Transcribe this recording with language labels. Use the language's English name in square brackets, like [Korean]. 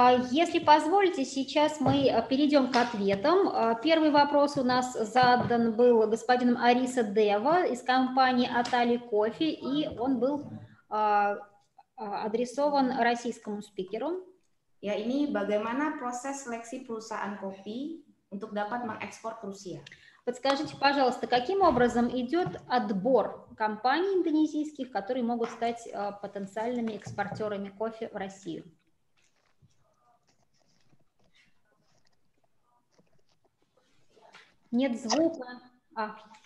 [Russian] Если позволите, сейчас мы перейдем к ответам. Первый вопрос у нас задан был господином Ариса Дева из компании Atali Coffee, и он был адресован российскому спикеру. [Indonesian] Ya, ini bagaimana proses seleksi perusahaan kopi untuk dapat mengekspor ke Rusia? [Russian] Подскажите, пожалуйста, каким образом идет отбор компаний индонезийских, которые могут стать потенциальными экспортерами кофе в Россию? Нет звука. А.